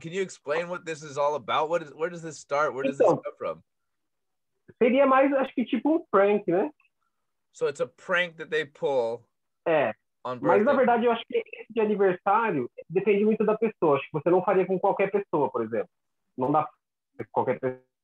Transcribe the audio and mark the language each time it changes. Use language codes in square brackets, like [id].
[en] Can you explain what this is all about? Where does this start? Where does this come from? [pt] Seria mais, acho que, tipo um prank, né? [en] So it's a prank that they pull. [pt] É. [en] On birthday. [pt] Mas, na verdade, eu acho que esse de aniversário depende muito da pessoa. Acho que você não faria com qualquer pessoa, por exemplo. Não dá pra qualquer pessoa.